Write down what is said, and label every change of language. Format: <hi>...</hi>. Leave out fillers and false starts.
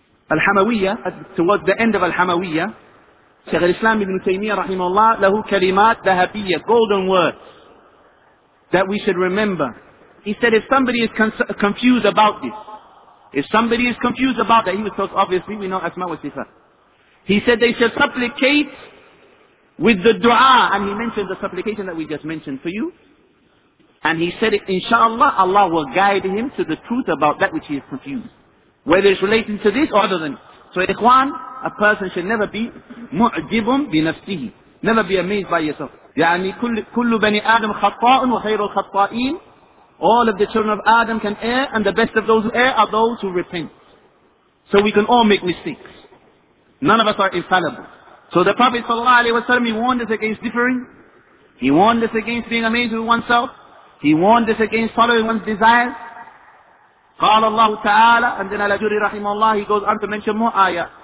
<en>al-Hamawiyya towards the end of al-Hamawiyya Shaykh al-Islam ibn Taymiyyah rahimahullah</en> <ar>lahu kalimat zahabiyya</ar> <en>golden words that we should remember he said if somebody is confused about this if somebody is confused about that he was talking obviously we know asma wa sifat he said they should supplicate with the dua, and he mentioned the supplication that we just mentioned for you. And he said, inshallah, Allah will guide him to the truth about that which he is confused. Whether it's relating to this or other than it. So ikhwan, a person should never be</en> <ar>mu'jibun bi nafsihi.</ar> <en>Never be amazed by yourself.</en> <ar>يعني كل بني آدم خطاء وخير الخطائين.</ar> <en>All of the children of Adam can err, and the best of those who err are those who repent. So we can all make mistakes. None of us are infallible. So the Prophet sallallahu alaihi wasallam, he warned us against differing. He warned us against being amazed with oneself. He warned us against following one's desires.</en> <ar>قَالَ اللَّهُ تَعَالَى</ar> <en>And then Al-Ajuri رَحِمَ اللَّهُ He goes on to mention more ayah.</en>